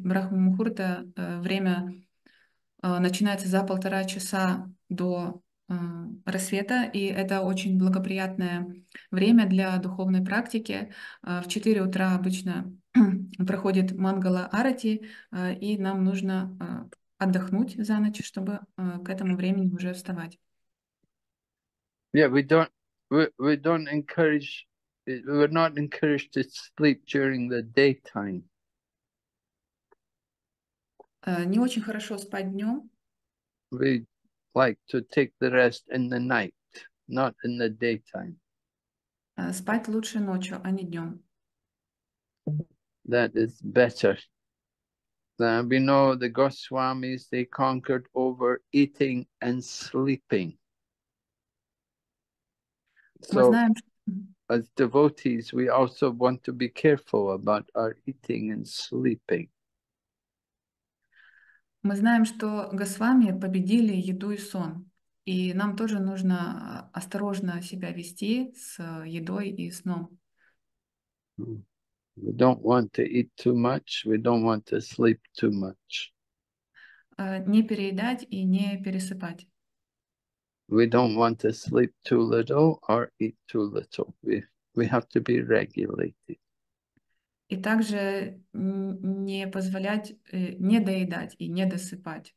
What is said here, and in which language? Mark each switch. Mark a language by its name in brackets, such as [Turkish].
[Russian] Брахма-мухурта время начинается за 1.5 часа до рассвета, и это очень благоприятное время для духовной практики. В 4 утра обычно проходит Мангала Арати, и нам нужно отдохнуть за ночь, чтобы к этому времени уже вставать. [English] Yeah, we're not encouraged to sleep during the daytime. [Russian] Не очень хорошо спать днём. [English] We like to take the rest in the night, not in the daytime. [Russian] Спать лучше ночью, а не днём. [English] That is better. We know the Goswamis, they conquered over eating and sleeping. So, as devotees, we also want to be careful about our eating and sleeping. [Russian] Мы знаем, что Госвами победили еду и сон, и нам тоже нужно осторожно себя вести с едой и сном. [English] We don't want to eat too much, we don't want to sleep too much. [Russian] Не переедать и не пересыпать. [English] We don't want to sleep too little or eat too little. We have to be regulated. [Russian] И также не позволять не доедать и не досыпать.